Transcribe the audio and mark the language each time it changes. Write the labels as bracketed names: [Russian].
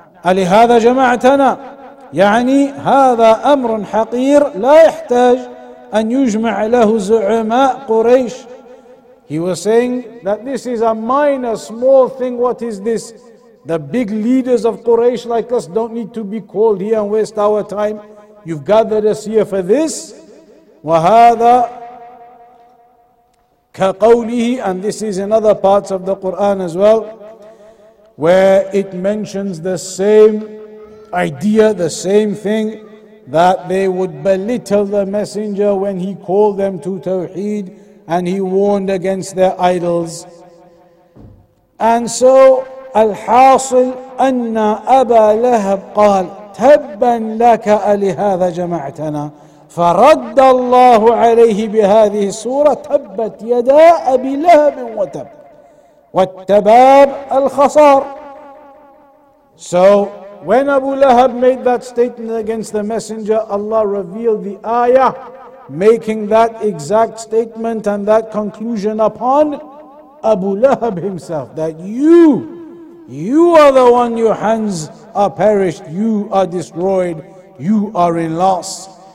[Arabic] ألهذا جمعتنا؟ يعني هذا أمر حقير لا يحتاج أن يجمع له زعماء قريش. [English] He was saying that this is a minor, small thing. What is this? The big leaders of Quraysh like us don't need to be called here and waste our time. You've gathered us here for this. [Arabic] وَهَذَا كَقَوْلِهِ. [English] And this is in other parts of the Quran as well, where it mentions the same idea, the same thing, that they would belittle the messenger when he called them to Tawheed and he warned against their idols. And so, [Arabic] الحاصل أن أبا لهب قال تبا لك ألهذا جمعتنا فرد الله عليه بهذه السورة تبت يدا أبي لهب وتب والتباب الخسار. [English] So when Abu Lahab made that statement against the messenger, Allah revealed the ayah making that exact statement and that conclusion upon Abu Lahab himself, that you are the one, your hands are perished, you are destroyed, you are in loss.